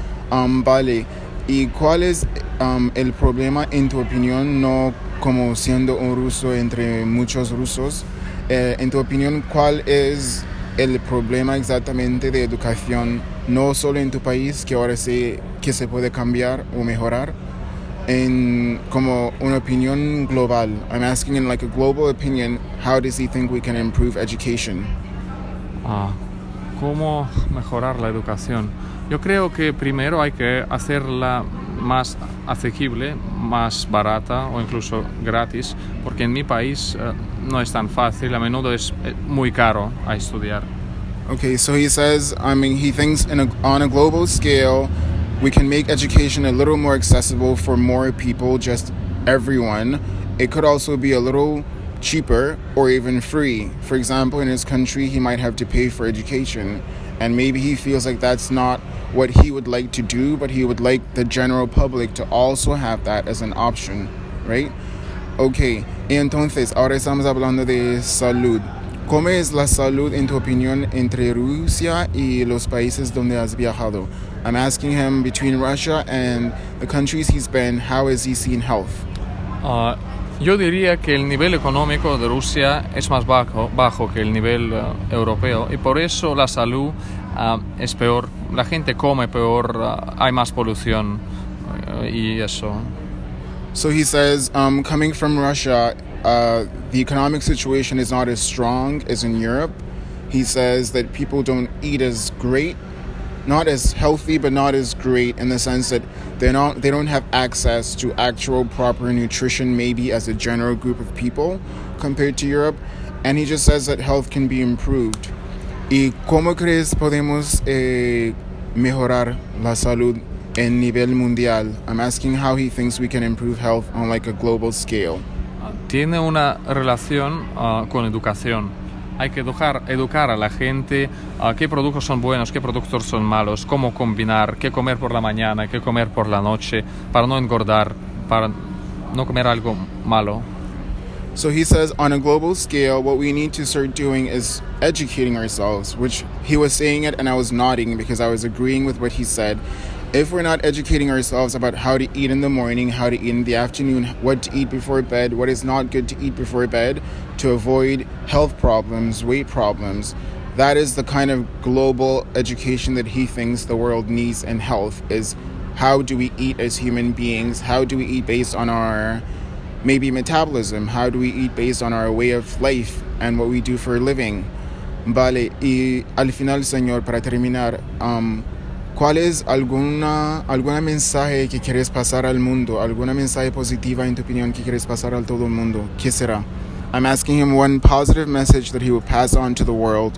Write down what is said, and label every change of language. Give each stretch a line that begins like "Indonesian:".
Spanish: Vale, ¿y cuál es el problema en tu opinión, no como siendo un ruso entre muchos rusos? En tu opinión, ¿cuál es el problema exactamente de educación, no solo en tu país, que ahora sí que se puede cambiar o mejorar, en como una opinión global?
English: I'm asking in like a global opinion, how does he think we can improve education?
Spanish: ¿Cómo mejorar la educación? Yo creo que primero hay que hacerla más asequible, más barata o incluso gratis, porque en mi país no es tan fácil, a menudo es muy caro a estudiar.
English: Okay, so he says, I mean, he thinks on a global scale, we can make education a little more accessible for more people, just everyone. It could also be a little cheaper or even free. For example, in his country, he might have to pay for education. And maybe he feels like that's not what he would like to do, but he would like the general public to also have that as an option, right?
Spanish: Okay, entonces, ahora estamos hablando de salud. ¿Cómo es la salud, en tu opinión, entre Rusia y los países donde has viajado?
English: I'm asking him, between Russia and the countries he's been, how has he seen health?
Spanish: Yo diría que el nivel económico de Rusia es más bajo que el nivel europeo, y por eso la salud es peor. La gente come peor, hay más polución, y eso.
English: So he says, coming from Russia, the economic situation is not as strong as in Europe, He says that people don't eat as great, not as healthy, but not as great in the sense that they don't have access to actual proper nutrition, maybe as a general group of people compared to Europe. And he just says that health can be improved.
Spanish: ¿Y cómo crees podemos mejorar la salud en nivel mundial?
English: I'm asking how he thinks we can improve health on like a global scale.
Spanish: Tiene una relación con educación. Hay que educar a la gente qué productos son buenos, qué productos son malos, cómo combinar, qué comer por la mañana, qué comer por la noche, para no engordar, para no comer algo malo.
English: So he says, on a global scale, what we need to start doing is educating ourselves, which he was saying it and I was nodding because I was agreeing with what he said. If we're not educating ourselves about how to eat in the morning, how to eat in the afternoon, what to eat before bed, what is not good to eat before bed to avoid health problems, weight problems, that is the kind of global education that he thinks the world needs in health, is how do we eat as human beings? How do we eat based on our maybe metabolism? How do we eat based on our way of life and what we do for a living?
Spanish: Vale, y al final, señor, para terminar, ¿cuál es alguna mensaje que quieres pasar al mundo? ¿Alguna mensaje positiva, en tu opinión, que quieres pasar al todo el mundo? ¿Qué será?
English: I'm asking him one positive message that he would pass on to the world.